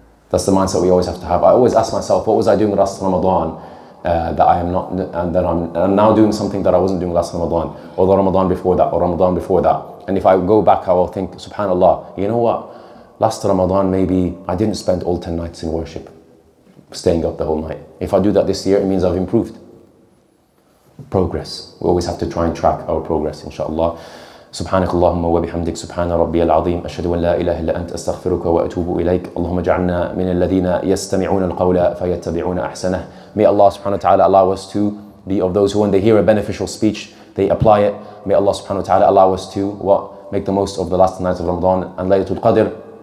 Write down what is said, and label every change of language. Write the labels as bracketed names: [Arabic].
[English] That's the mindset we always have to have. I always ask myself, what was I doing last Ramadan that I'm now doing something that I wasn't doing last Ramadan, or the Ramadan before that, or Ramadan before that. And if I go back, I will think, subhanAllah, you know what? Last Ramadan, maybe I didn't spend all 10 nights in worship, staying up the whole night. If I do that this year, it means I've improved. Progress. We always have to try and track our progress, inshallah. [Arabic] سبحانك اللهم وبحمدك سبحان ربي العظيم أشهد أن لا إله إلا أنت أستغفرك وأتوب إليك اللهم اجعلنا من الذين يستمعون القول فيتبعون أحسنه. [English] May Allah subhanahu wa ta'ala allow us to be of those who when they hear a beneficial speech they apply it. May Allah subhanahu wa ta'ala allow us to make the most of the last nights of Ramadan and Laylatul Qadr.